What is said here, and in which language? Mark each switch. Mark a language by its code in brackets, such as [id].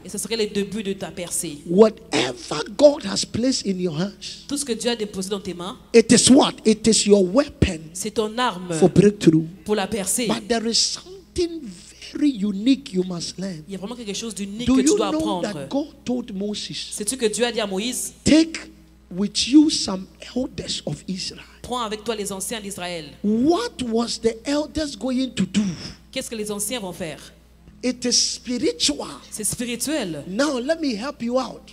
[fr] Et ce serait le début de ta percée. [en] Whatever God has placed in your hands. [fr] Tout ce que Dieu a déposé dans tes mains. [en] It is what? It is your weapon. [fr] C'est ton arme. [en] For breakthrough. [fr] Pour la percée. [en] But there is something very unique you must learn. [fr] Il y a vraiment quelque chose d'unique que tu dois apprendre. [en] Do you know that God told Moses? [fr] Sais-tu que Dieu a dit à Moïse? [en] Take with you some elders of Israel. [fr] Prends avec toi les anciens d'Israël. [en] What was the elders going to do? [fr] Qu'est-ce que les anciens vont faire? [en] It is spiritual. [fr] C'est spirituel. [en] Now let me help you out.